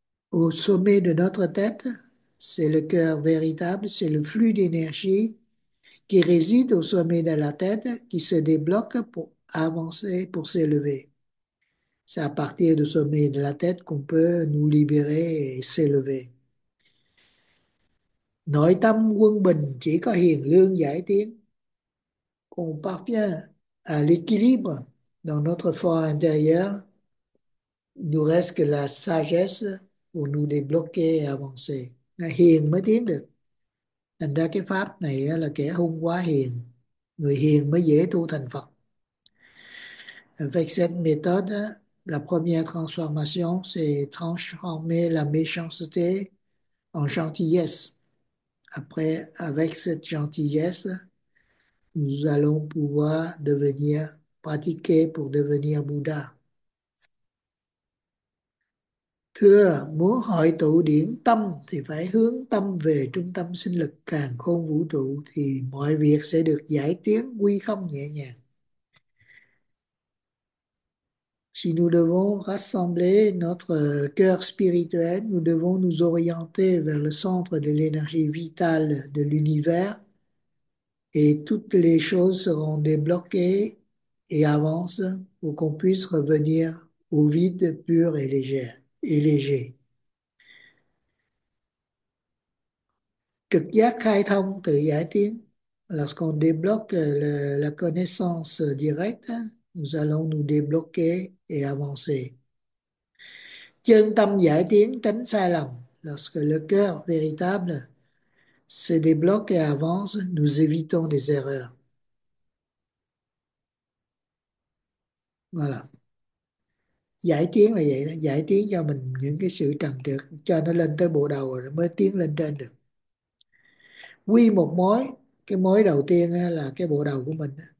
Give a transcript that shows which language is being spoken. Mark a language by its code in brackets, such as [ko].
[fr] Au sommet de notre tête, c'est le cœur véritable, c'est le flux d'énergie qui réside au sommet de la tête, qui se débloque pour avancer, pour s'élever. C'est à partir du sommet de la tête qu'on peut nous libérer et s'élever. [vi] Nội tâm quân bình chỉ có hiền lương giải tiến. [fr] Quand on parvient à l'équilibre dans notre fort intérieur, nous reste que la sagesse pour nous débloquer et avancer. [vi] Hiền mới tiến được. Thành ra cái pháp này là kẻ hung quá hiền. Người hiền mới dễ tu thành Phật. [fr] Avec cette méthode, la première transformation, c'est transformer la méchanceté en gentillesse. Après, avec cette gentillesse, nous allons pouvoir devenir, pratiquer pour devenir Bouddha. [vi] Thưa, muốn hỏi tụ điểm tâm thì phải hướng tâm về trung tâm sinh lực càn khôn vũ trụ thì mọi việc sẽ được giải tiến quy không nhẹ nhàng. [fr] Si nous devons rassembler notre cœur spirituel, nous devons nous orienter vers le centre de l'énergie vitale de l'univers et toutes les choses seront débloquées et avancent pour qu'on puisse revenir au vide pur et légère. Et léger. [vi] Trực giác khai thông tự giải tiến. [fr] Lorsqu'on débloque la connaissance directe, nous allons nous débloquer et avancer. [vi] Chân tâm giải tiến tránh sai lầm. [fr] Lorsque le cœur véritable se débloque et avance, nous évitons des erreurs. Voilà. [vi] Giải tiến là vậy đó, giải tiến cho mình những cái sự trần trược cho nó lên tới bộ đầu rồi mới tiến lên trên được. Quy một mối, cái mối đầu tiên là cái bộ đầu của mình.